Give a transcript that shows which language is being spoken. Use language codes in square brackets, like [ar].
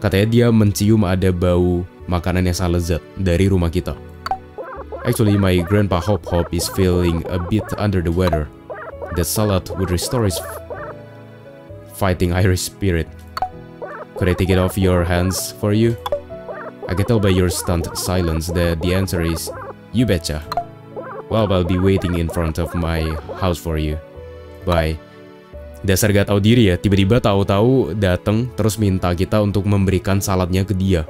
[id] Katanya dia mencium ada bau makanan yang sangat lezat dari rumah kita. [en] Actually, my grandpa Hop-Hop is feeling a bit under the weather. The salad would restore his fighting Irish spirit. Could I take it off your hands for you? I can tell by your stunned silence that the answer is, you betcha. Well, I'll be waiting in front of my house for you. Bye. [id] Dasar gak tahu diri ya, tiba-tiba tahu-tahu datang terus minta kita untuk memberikan saladnya ke dia.